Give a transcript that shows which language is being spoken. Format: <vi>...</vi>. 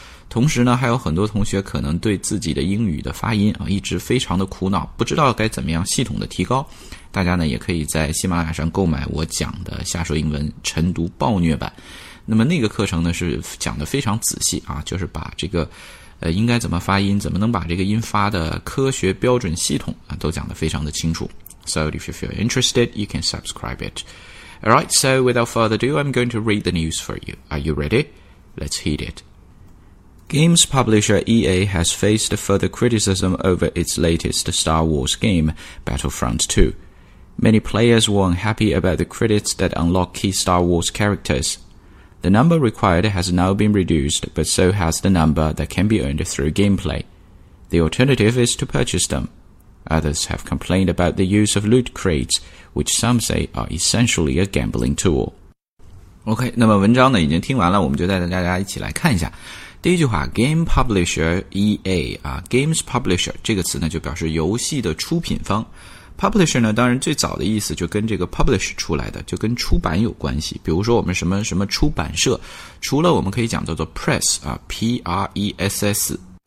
<zh>同时呢，还有很多同学可能对自己的英语的发音啊一直非常的苦恼，不知道该怎么样系统的提高。大家呢也可以在喜马拉雅上购买我讲的下说英文晨读暴虐版。那么那个课程呢是讲的非常仔细啊，就是把这个应该怎么发音，怎么能把这个音发的科学标准系统啊都讲的非常的清楚。</zh> <en>So if you feel interested, you can subscribe it. Alright, so without further ado, I'm going to read the news for you. Are you ready? Let's hit it. Games publisher EA has faced further criticism over its latest Star Wars game, Battlefront 2. Many players were unhappy about the credits that unlock key Star Wars characters. The number required has now been reduced, but so has the number that can be earned through gameplay. The alternative is to purchase them. Others have complained about the use of loot crates, which some say are essentially a gambling tool.</en> <zh>OK, 那么文章呢已经听完了，我们就带大家一起来看一下。第一句话 ,game publisher EA, 啊 ,games publisher, 这个词呢就表示游戏的出品方。 publisher 呢当然最早的意思就跟这个 publish 出来的，就跟出版有关系。比如说我们什么什么出版社，除了我们可以讲叫做 press, 啊 ,P-R-E-S-S。</zh>